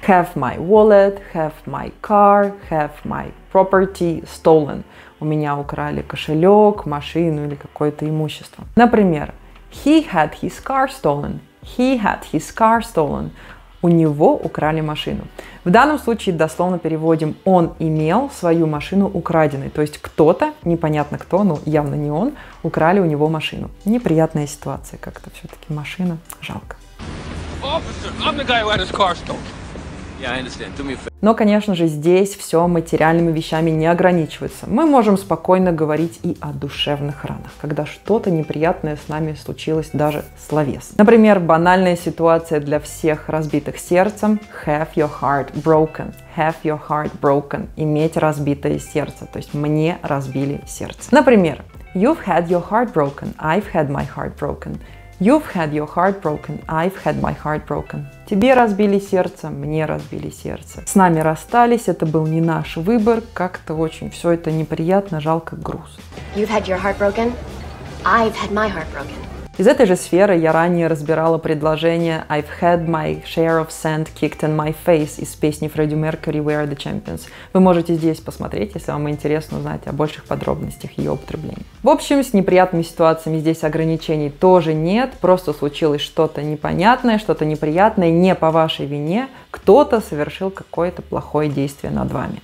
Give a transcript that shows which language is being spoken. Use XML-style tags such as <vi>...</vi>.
<en>Have my wallet, have my car, have my property stolen.</en> <ru>У меня украли кошелек, машину или какое-то имущество. Например,</ru> <en>he had his car stolen. He had his car stolen.</en> <ru>У него украли машину. В данном случае дословно переводим «он имел свою машину украденной». То есть кто-то, непонятно кто, но явно не он, украли у него машину. Неприятная ситуация как-то все-таки. Машина. Жалко.</ru> <en>Officer, I'm the guy who had his car stolen.</en> <ru>Но, конечно же, здесь все материальными вещами не ограничивается. Мы можем спокойно говорить и о душевных ранах, когда что-то неприятное с нами случилось даже словесно. Например, банальная ситуация для всех разбитых сердцем –</ru> <en>have your heart broken. Have your heart broken.</en> <ru>Иметь разбитое сердце, то есть мне разбили сердце. Например,</ru> <en>you've had your heart broken, I've had my heart broken. You've had your heart broken, I've had my heart broken.</en> <ru>Тебе разбили сердце, мне разбили сердце. С нами расстались, это был не наш выбор, как-то очень все это неприятно, жалко, груз.</ru> <en>You've had your heart broken, I've had my heart broken.</en> <ru>Из этой же сферы я ранее разбирала предложение</ru> <en>I've had my share of sand kicked in my face</en> <ru>из песни</ru> <en>Freddie Mercury We Are the Champions.</en> <ru>Вы можете здесь посмотреть, если вам интересно узнать о больших подробностях ее употребления. В общем, с неприятными ситуациями здесь ограничений тоже нет, просто случилось что-то непонятное, что-то неприятное, не по вашей вине, кто-то совершил какое-то плохое действие над вами.</ru>